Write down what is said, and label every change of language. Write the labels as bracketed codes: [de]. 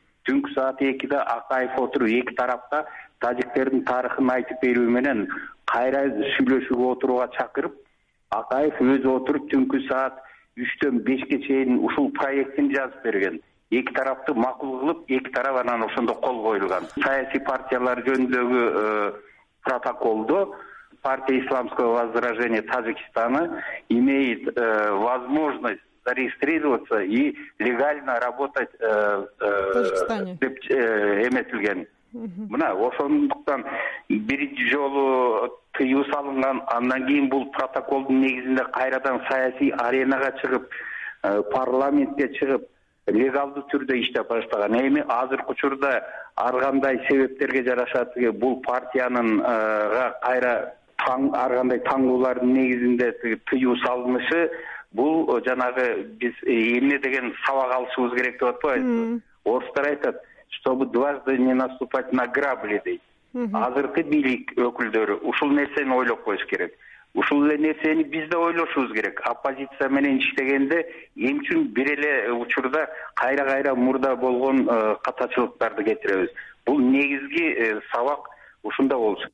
[ky] Түнкү саат 2:00 Акаев отуруп эки тарапка тажиктердин тарыхын айтып берүү менен кайра сүйлөшүүгө отурууга чакырып, Акаев өзү отуруп түнкү саат 3:00-5:00 чейин ушул проектин жазып берген. Эки тарапты макул кылып, эки тарап анан ошондо кол коюлган. Саясий партиялар жөнүндөгү протоколдо [ru] партия исламского возрождения Таджикистана имеет возможность зарегистрироваться и легально работать в Таджикистане [ky] деп эметилген. Мына ошондуктан бир жолу тыюу салынган, андан кийин бул протоколдун негизинде кайрадан саясий аренага чыгып, парламентке чыгып легалдуу түрдө иштеп баштаган. Эми азыркы учурда ар кандай себептерге жараша тиги бул партиянын кайра ар кандай таңдоолордун негизинде тыюу салынышы, бул жанагы биз эмне деген сабак алышыбыз керек деп атпайбызбы? Орустар айтат, [ru] чтобы дважды не наступать на грабли [ky] дейт. Азыркы бийлик өкүлдөрү ушул нерсени ойлоп коюш керек. Ушул эле нерсени биз да ойлошубуз керек. Оппозиция менен иштегенде эмне үчүн бир эле учурда кайра кайра мурда болгон катачылыктарды кетиребиз? Бул негизги сабак ушунда болчу.